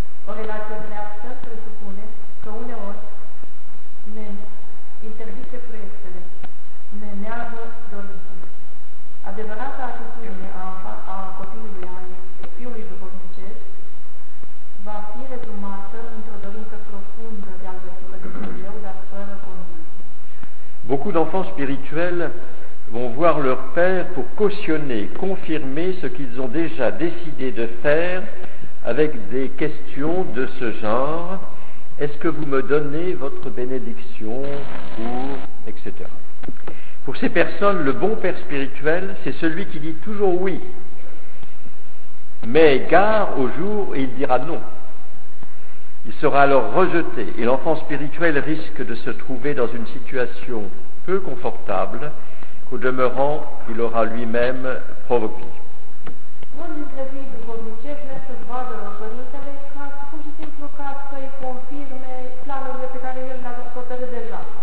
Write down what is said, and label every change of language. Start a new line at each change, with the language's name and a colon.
Romanian: O relație dreaptă presupune că uneori ne interzice proiectele, ne neagă dorințele. Adevărata atitudine a copilului, a fiului duhovnicesc, va fi rezumată într-o dorință profundă de a-l găsi pe Dumnezeu, dar fără condiții.
French: Beaucoup d'enfants spirituels vont voir leur père pour cautionner, confirmer ce qu'ils ont déjà décidé de faire avec des questions de ce genre. Est-ce que vous me donnez votre bénédiction pour, etc. Pour ces personnes, le bon père spirituel, c'est celui qui dit toujours oui. Mais gare au jour où il dira non. Il sera alors rejeté et l'enfant spirituel risque de se trouver dans une situation peu confortable qu'au demeurant, il aura lui-même provoqué.
Romanian: Un dintre fiii duhovnicesc vrea să-l vadă la părintele ca pur și simplu ca să-i confirme planurile pe care el le-a hotărât deja.